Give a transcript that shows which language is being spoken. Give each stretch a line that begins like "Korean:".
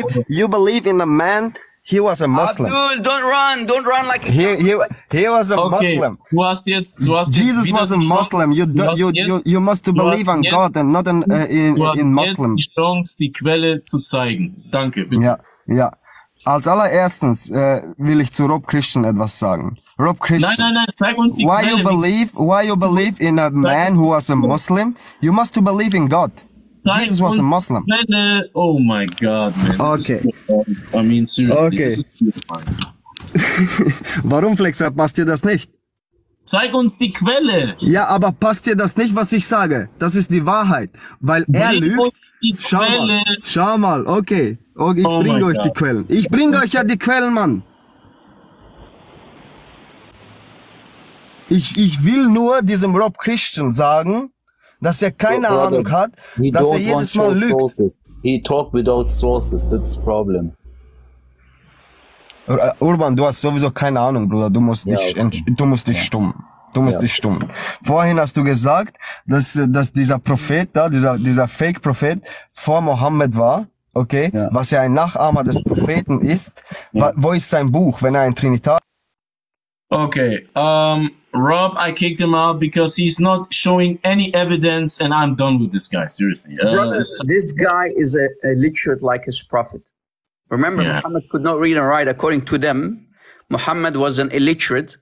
English: you believe in a man, he was a Muslim. Abdul, don't run like a he was a Muslim. Jesus was a Muslim. You must believe on God and not in Muslim.
German: Die Chance, die Quelle zu zeigen. Danke, bitte. Ja. Als allererstens will ich zu Rob Christian etwas sagen. Rob Christian, nein, zeig uns die Quelle.
English: Why you believe in a man who was a Muslim? You must believe in God. Jesus was a Muslim. Quelle. Oh my God, man. Okay. I mean, seriously.
German: Okay. Warum, Flexer, passt dir das nicht? Zeig uns die Quelle. Ja, aber passt dir das nicht, was ich sage? Das ist die Wahrheit. Weil er bring lügt. Schau mal, okay. Okay, ich bringe euch die Quellen. Ich bringe euch ja die Quellen, Mann. Ich will nur diesem Rob Christian sagen, dass er keine Ahnung hat, dass er jedes Mal lügt.
English: He talk without sources, that's the problem.
German: Urban, du hast sowieso keine Ahnung, Bruder. Du musst dich, stumm. Vorhin hast du gesagt, dass dieser Prophet da, dieser Fake-Prophet vor Mohammed war, okay? Ja. Was ja ein Nachahmer des Propheten ist. Ja. Wo ist sein Buch, wenn er ein Trinitar?
English: Okay, Rob, I kicked him out because he's not showing any evidence and I'm done with this guy, seriously. This guy is a literate like his prophet. Remember, yeah. Muhammad could not read and write. According to them, Muhammad was an illiterate.